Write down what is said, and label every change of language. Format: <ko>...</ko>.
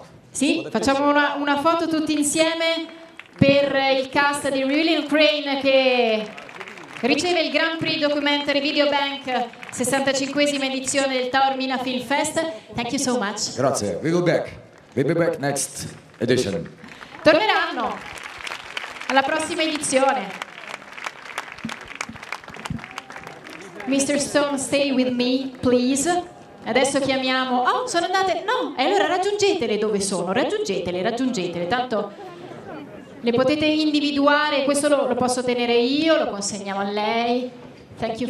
<it>Sì, facciamo una foto tutti insieme per il cast di Reveal in Ukraine che riceve il Grand Prix Documentary Video Bank 65esima edizione del Taormina Film Fest.</it> <en>Thank you so much.</en> <it>Grazie.</it> <en>We'll be back next edition.</en> <it>Torneranno alla prossima edizione.</it> <en>Mr. Stone, stay with me, please.</en> <it>Adesso chiamiamo... Oh, sono andate... No, e allora raggiungetele dove sono. Raggiungetele. Tanto le potete individuare. Questo lo posso tenere io, lo consegniamo a lei.</it> <en>Thank you for...</en>